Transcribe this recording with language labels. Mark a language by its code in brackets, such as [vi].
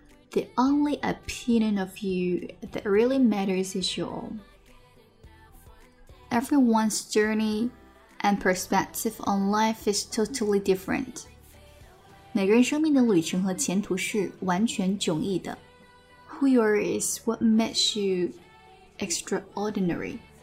[en] The only opinion of you that really matters is your own。 Everyone's journey and perspective on life is totally different。 [zh] 每个人生命的旅程和前途是完全迥异的。 [en] Who you are is what makes you extraordinary.